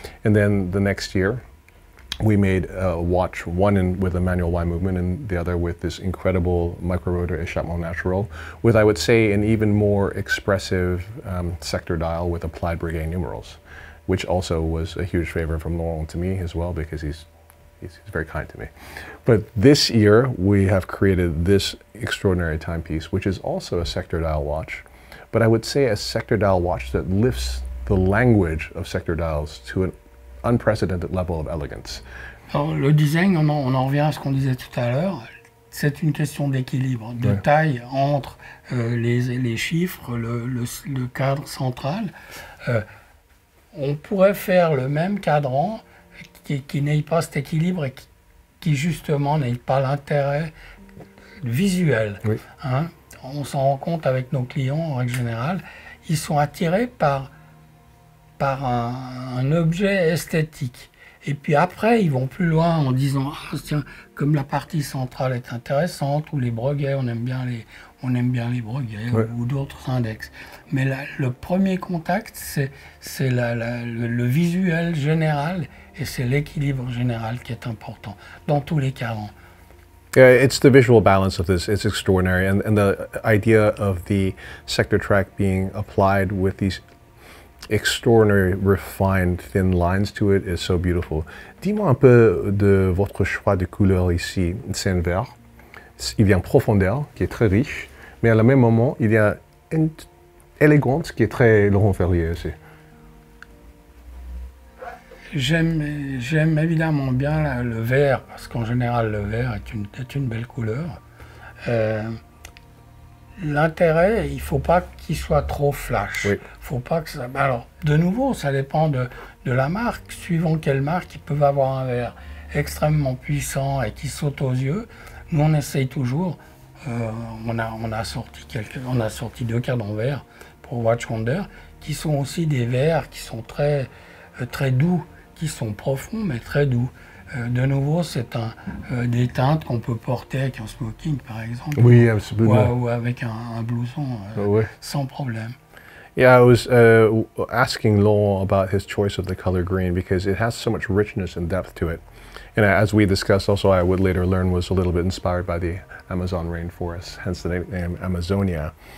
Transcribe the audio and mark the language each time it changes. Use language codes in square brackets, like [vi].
[en] And then the next year, we made a watch, one with Emmanuel Y movement and the other with this incredible micro-rotor Echappement Naturel, with, I would say, an even more expressive sector dial with applied Breguet numerals, which also was a huge favor from Laurent to me as well, because he's very kind to me. But this year, we have created this extraordinary timepiece, which is also a sector dial watch, but I would say a sector dial watch that lifts the language of sector dials to an unprecedented level of elegance. [fr] Alors, le design, on en revient à ce qu'on disait tout à l'heure, c'est une question d'équilibre, de ouais. taille entre les chiffres, le cadre central. On pourrait faire le même cadran qui n'ait pas cet équilibre et qui justement n'ait pas l'intérêt visuel. Oui. Hein? On s'en rend compte avec nos clients en règle générale, ils sont attirés par un objet esthétique. Et puis après, ils vont plus loin en disant « Ah tiens, comme la partie centrale est intéressante, ou les breguets, on aime bien les breguets, ouais. ou d'autres index. » Mais le premier contact, c'est le visuel général, et c'est l'équilibre général qui est important, dans tous les cadrans. [en] Yeah, it's the visual balance of this. It's extraordinary. And the idea of the sector track being applied with these extraordinary refined thin lines to it is so beautiful. [fr] Dis-moi un peu de votre choix de couleur ici. C'est un vert. Il vient profondeur, qui est très riche, mais à la même moment, il y a une élégance qui est très Laurent Ferrier aussi. J'aime évidemment bien le vert, parce qu'en général, le vert est une belle couleur. L'intérêt, il ne faut pas qu'il soit trop flash. Oui. Faut pas que ça... Alors, de nouveau, ça dépend de la marque. Suivant quelle marque, ils peuvent avoir un verre extrêmement puissant et qui saute aux yeux. Nous, on essaye toujours. On a sorti deux cadrans verts pour Watch Wonder, qui sont aussi des verres qui sont très, très doux, qui sont profonds, mais très doux. De nouveau, c'est des teintes qu'on peut porter avec un smoking, par exemple, oui, ou avec un blouson, oui. sans problème. [en] Yeah, I was asking Laurent about his choice of the color green because it has so much richness and depth to it. And as we discussed also, I would later learn was a little bit inspired by the Amazon rainforest, hence the name Amazonia.